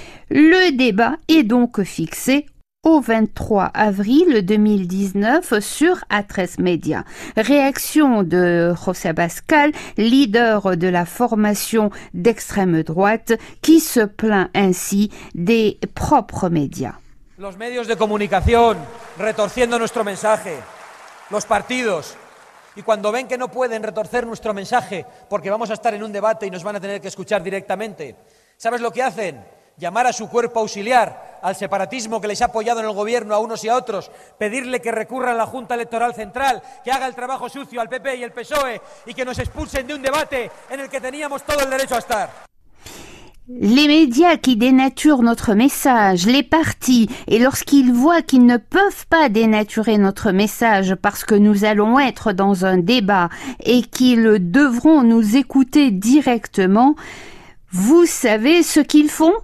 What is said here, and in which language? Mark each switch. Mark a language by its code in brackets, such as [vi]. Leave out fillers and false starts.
[fr] Le débat est donc fixé au 23 avril 2019 sur Atres Media. Réaction de José Abascal, leader de la formation d'extrême droite, qui se plaint ainsi des propres médias. [es] Los medios de comunicación retorciendo nuestro mensaje, los partidos, y cuando ven que no pueden retorcer nuestro mensaje porque vamos a estar en un debate y nos van a tener que escuchar directamente, ¿sabes lo que hacen? Llamar a su cuerpo auxiliar, al separatismo que les ha apoyado en el gobierno a unos y a otros, pedirle que recurra a la Junta Electoral Central, que haga el trabajo sucio al PP y el PSOE y que nos expulsen de un debate en el que teníamos todo el derecho a estar. [fr] Les médias qui dénaturent notre message, les partis, et lorsqu'ils voient qu'ils ne peuvent pas dénaturer notre message parce que nous allons être dans un débat et qu'ils devront nous écouter directement, vous savez ce qu'ils font?